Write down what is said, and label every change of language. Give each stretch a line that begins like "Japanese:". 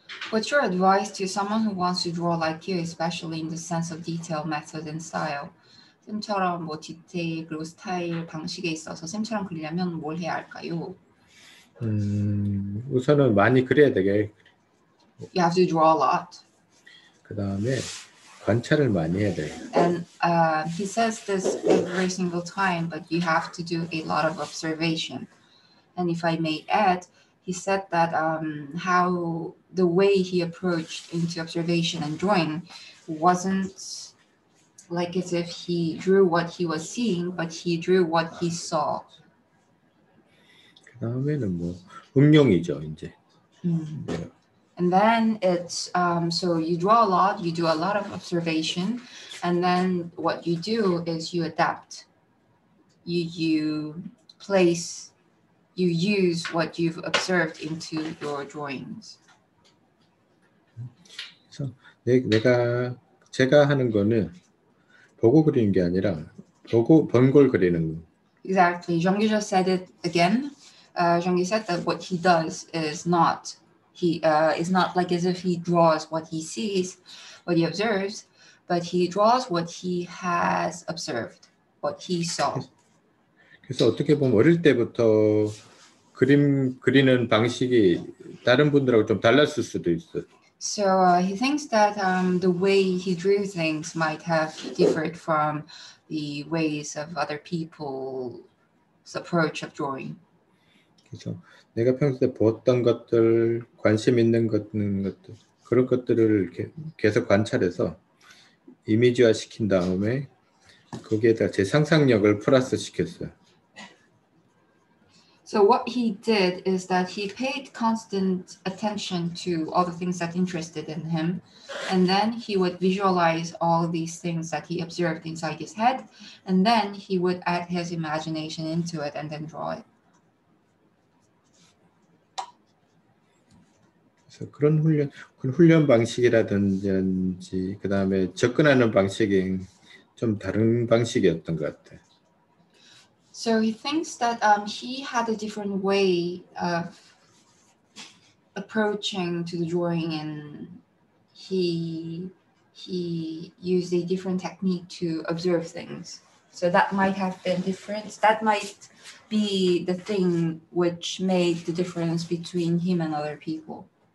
English: What's your advice to someone who wants to draw like you, especially in the sense of detail, method, and style?
Korean: 쌤처럼 뭐 디테일 그리고 스타일 방식에 있어서 쌤처럼 그리려면 뭘 해야 할까요? 우선은 많이 그려야 되게.
English: You have to draw a lot.
Korean: 그 다음에 관찰을 많이 해야 돼요.
English: And he says this every single time, but you have to do a lot of observation. And if I may add, he said that how the way he approached into observation and drawing wasn't like as if he drew what he was seeing, but he drew what he saw.
Korean: 그 다음에는 뭐 음영이죠, 이제.
English: And then it's so you draw a lot, you do a lot of observation, and then what you do is you adapt. You place, you use what you've observed into your drawings.
Korean: So 내가 제가 하는 거는 보고 그리는 게 아니라 보고 본 걸 그리는 거.
English: Exactly. Jeong-gi just said it again. Jeong-gi said that what he does is not. He is not like as if he draws what he sees, what he observes, but he draws what he has observed, what he saw.
Korean: 그래서 어떻게 보면 어릴 때부터 그림 그리는 방식이 다른 분들하고 좀 달랐을 수도 있어.
English: So he thinks that the way he drew things might have differed from the ways of other people's approach of drawing.
Korean: 그래서 내가 평소에 보았던 것들, 관심 있는 것들, 그런 것들을 계속 관찰해서 이미지화 시킨 다음에 거기에다가 제 상상력을 플러스 시켰어요.
English: So what he did is that he paid constant attention to all the things that interested in him, and then he would visualize all these things that he observed inside his head, and then he would add his imagination into it and then draw it.
Korean: 그런 훈련, 그런 훈련 방식이라든지 그 다음에 접근하는 방식이 좀 다른 방식이었던 것 같아.
English: So he thinks that he had a different way of approaching to the drawing, and he used a different technique to observe things. So that might have been different. That might be the thing which made the difference between him and other people.